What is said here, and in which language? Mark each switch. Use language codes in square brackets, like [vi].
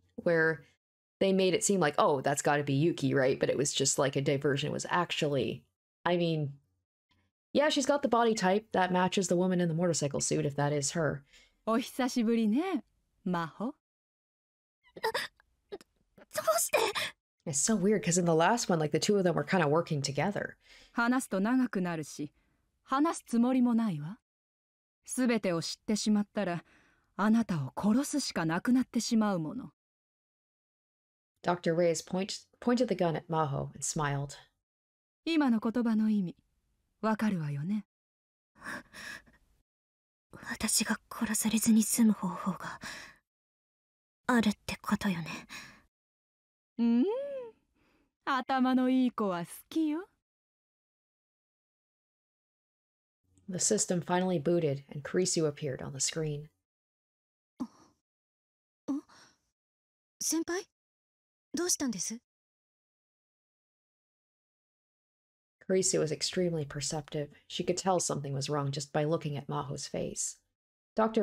[en] Where they made it seem like, oh, that's gotta be Yuki, right? But it was just like a diversion. It was actually, I mean, Yeah, she's got the body type that matches the woman in the motorcycle suit, if that is her. [ja] お久しぶりね, Maho. どうして? [en] It's so weird, because in the last one, like, the two of them were kind of working together. [ja] 話すと長くなるし, 話すつもりもないわ。全てを知ってしまったら、 あなたを殺すしかなくなってしまうもの。 [en] Dr. Reyes pointed the gun at Maho and smiled. [ja] 今の言葉の意味、 わかるわよね? 私が殺されずに済む方法が… あるってことよね? うーん、頭のいい子は好きよ。 [en] The system finally booted, and Kirisu appeared on the screen. [ja] Senpai? どうしたんです? [en] Kirisu was extremely perceptive. She could tell something was wrong just by looking at Maho's face. Dr.